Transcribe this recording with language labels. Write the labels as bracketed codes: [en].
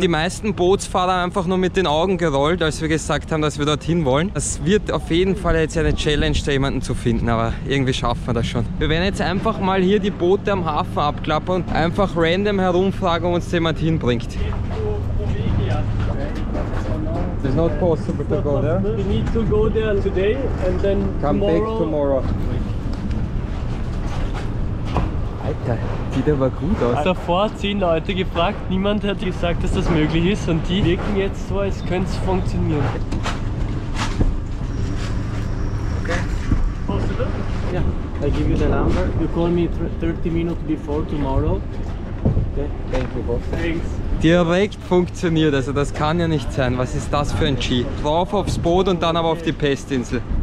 [de] Die meisten Bootsfahrer haben einfach nur mit den Augen gerollt, als wir gesagt haben, dass wir dorthin wollen. Das wird auf jeden Fall jetzt eine Challenge, da jemanden zu finden, aber irgendwie schaffen wir das schon. Wir werden jetzt einfach mal hier die Boote am Hafen abklappern und einfach random herumfragen, ob uns jemand hinbringt. [en] It's not possible to go there. We need to go there today and then come tomorrow. Back tomorrow. [de] Alter, sieht aber gut aus. Davor 10 Leute gefragt, niemand hat gesagt, dass das möglich ist und die wirken jetzt so, als könnte es funktionieren. [en] Okay. Possible? Yeah. I give you the number. You call me 30 minutes before tomorrow. Okay. Thank you, boss. Thanks. [de] Direkt funktioniert, also das kann ja nicht sein. Was ist das für ein G? Drauf aufs Boot und dann aber auf die Pestinsel.